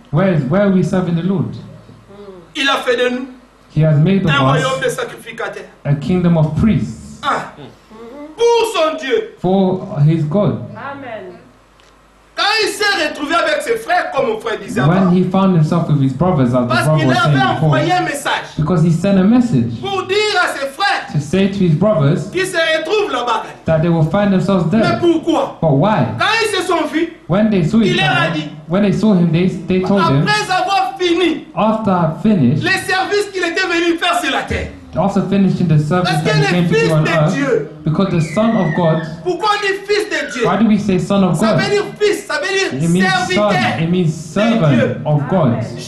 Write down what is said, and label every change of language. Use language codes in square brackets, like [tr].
[en] Where are we serving the Lord? [fr] Il a fait de nous. [en] He has made of [fr] un royaume de sacrificateurs. [en] A kingdom of priests. [fr] Ah. Pour son Dieu. [en] For his God. Amen. [fr] Quand il s'est retrouvé avec ses frères, comme mon frère disait avant. [en] When he found himself with his brothers, as the brother was saying before. Because he sent a message. [fr] Pour dire à ses frères. [en] To say to his brothers. [fr] Qu'ils se retrouvent là-bas. [en] That they will find themselves there. [fr] Mais pourquoi? [en] But why? [fr] Quand ils se sont vus. [en] When they saw him. [fr] Il leur a dit. [en] When they saw him, they told him. [fr] Après avoir fini. [en] After I finished. [fr] Les services qu'il était venu faire sur la terre. [en] After finishing the service that he came to do on earth, because the Son of God, why do we say Son of God? It means son, it means servant of God.